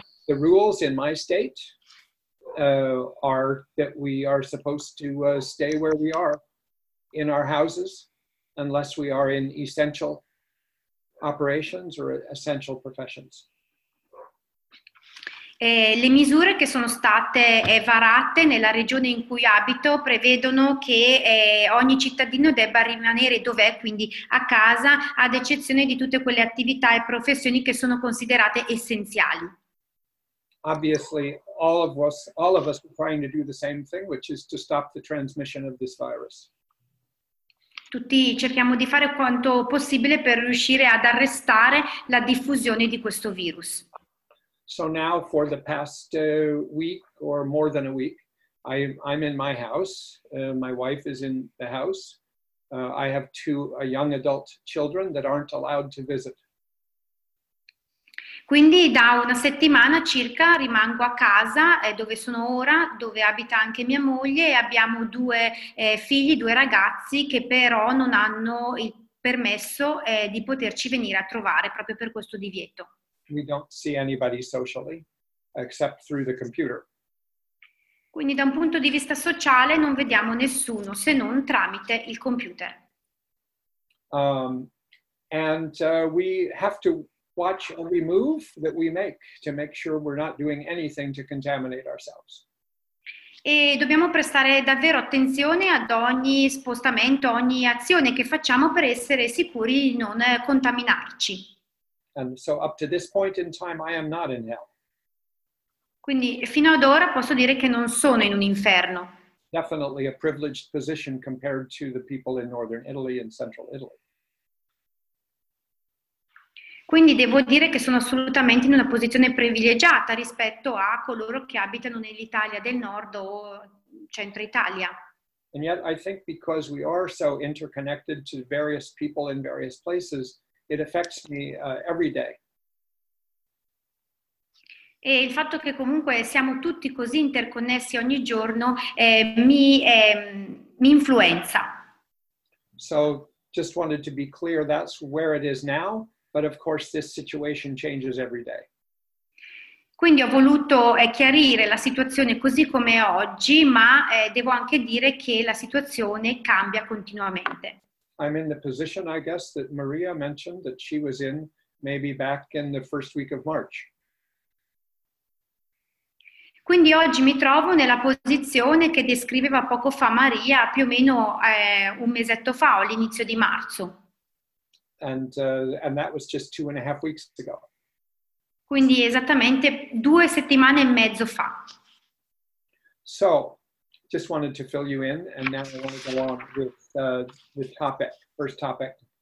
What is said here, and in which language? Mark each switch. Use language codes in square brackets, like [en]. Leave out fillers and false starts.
[en] The rules in my state are that we are supposed to stay where we are in our houses unless we are in essential operations or essential professions. [it] Le misure che sono state varate nella regione in cui abito prevedono che ogni cittadino debba rimanere dov'è, quindi a casa, ad eccezione di tutte quelle attività e professioni che sono considerate essenziali. [en] Obviously, all of us are trying to do the same thing, which is to stop the transmission of this virus. [it] Tutti cerchiamo di fare quanto possibile per riuscire ad arrestare la diffusione di questo virus. [en] So now for the past week or more than a week, I'm in my house. My wife is in the house. I have a young adult children that aren't allowed to visit. [it] Quindi da una settimana circa rimango a casa, dove sono ora, dove abita anche mia moglie, e abbiamo due figli, due ragazzi, che però non hanno il permesso di poterci venire a trovare proprio per questo divieto. [en] We don't see anybody socially, except through the computer. [it] Quindi da un punto di vista sociale non vediamo nessuno, se non tramite il computer. [en] We have to watch every move that we make to make sure we're not doing anything to contaminate ourselves. [it] E dobbiamo prestare davvero attenzione ad ogni spostamento, ogni azione che facciamo per essere sicuri di non contaminarci. [en] And so up to this point in time, I am not in hell. [it] Quindi fino ad ora posso dire che non sono in un inferno. [en] Definitely a privileged position compared to the people in northern Italy and central Italy. [it] Quindi devo dire che sono assolutamente in una posizione privilegiata rispetto a coloro che abitano nell'Italia del nord o centro Italia. [en] And yet I think because we are so interconnected to various people in various places, it affects me every day. [it] E il fatto che comunque siamo tutti così interconnessi ogni giorno mi influenza. [en] So just wanted to be clear, that's where it is now, but of course this situation changes every day. [it] Quindi ho voluto chiarire la situazione così come è oggi, ma devo anche dire che la situazione cambia continuamente. [en] I'm in the position, I guess, that Maria mentioned that she was in maybe back in the first week of March. [it] Quindi oggi mi trovo nella posizione che descriveva poco fa Maria, più o meno un mesetto fa, all'inizio di marzo. [en] And that was just 2.5 weeks ago. [it] Quindi esattamente 2 settimane e mezzo fa. [en] So, just wanted to fill you in, and now I want to go on with the topic, first topic.